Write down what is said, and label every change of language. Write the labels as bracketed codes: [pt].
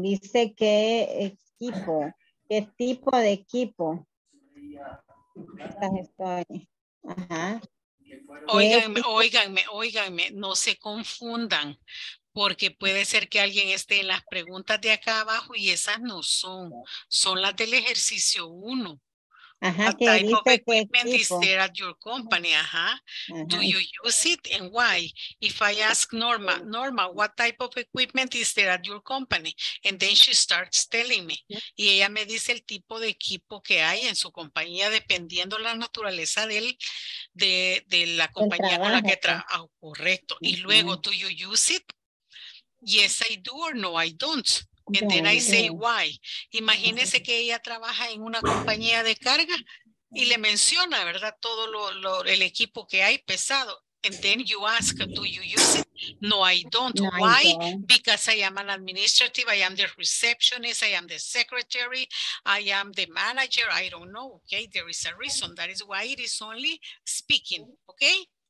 [es] Dice qué equipo, qué tipo de equipo. Óiganme, no se confundan, porque puede ser que alguien esté en las preguntas de acá abajo y esas no son, son las del ejercicio 1. [en] What type of equipment is there at your company? Do you use it and why? If I ask Norma, Norma, what type of equipment is there at your company? And then she starts telling me. [es] Y ella me dice el tipo de equipo que hay en su compañía, dependiendo la naturaleza del, de la compañía con la que trabaja. Oh, correcto. Y luego, [en] do you use it? Yes, I do or no, I don't. And then I say why. [es] Imagínese que ella trabaja en una compañía de carga y le menciona, ¿verdad? Todo lo, el equipo que hay pesado. [en] And then you ask, do you use it? No, I don't. No, why? I don't. Because I am an administrative, I am the receptionist, I am the secretary, I am the manager, I don't know. Okay, there is a reason. That is why it is only speaking, okay?